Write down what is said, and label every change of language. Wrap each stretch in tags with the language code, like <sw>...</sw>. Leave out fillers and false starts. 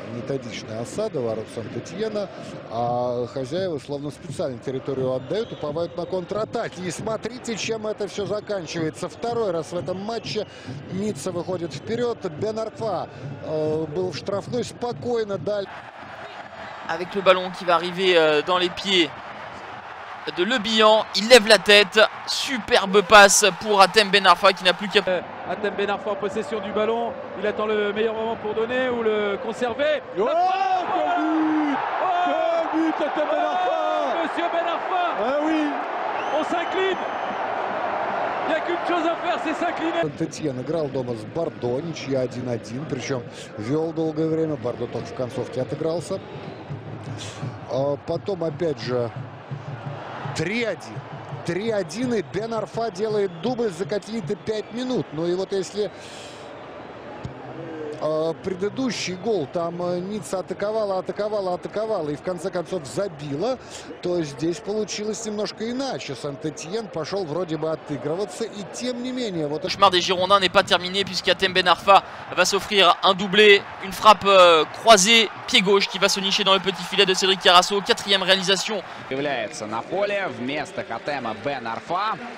<ru>Методичная осада ворот Сан-Петьена, а хозяева словно специально территорию отдают, уповают на контратаки. И смотрите, чем это все заканчивается. Второй раз в этом матче Ницца выходит вперед. Бен Арфа был в штрафной, спокойно</ru> <fr>Avec le ballon qui va arriver dans les pieds de Le Bihan, il lève la tête. Superbe passe pour Hatem Ben Arfa qui n'a plus qu'à... Hatem Ben Arfa en possession du ballon. Il attend le meilleur moment pour donner ou le conserver. Oh, quel but! Quel but, Hatem Ben Arfa! Monsieur Ben Arfa! Ah oui! On s'incline!</fr> <ru>Сан-Петьен играл дома с Бордо, ничья 1-1, причем вел долгое время, Бордо только в концовке отыгрался. А потом опять же 3-1. 3-1 и Бен Арфа делает дубль за какие-то 5 минут. Ну и вот если предыдущий гол, там Ницца атаковала и в конце концов забила, то здесь получилось немножко иначе. Сан-Этьен пошел вроде бы отыгрываться, и тем не менее... Вот... Кошмар</ru> <fr>des Girondins n'est pas terminé, puisqu'Hatem Ben Arfa va s'offrir un doublé, une frappe croisée, pied gauche, qui va se nicher dans le petit filet de Cédric Carasso, quatrième réalisation.</fr> <ru>Является на поле вместо Хатема Бен Арфа.</ru>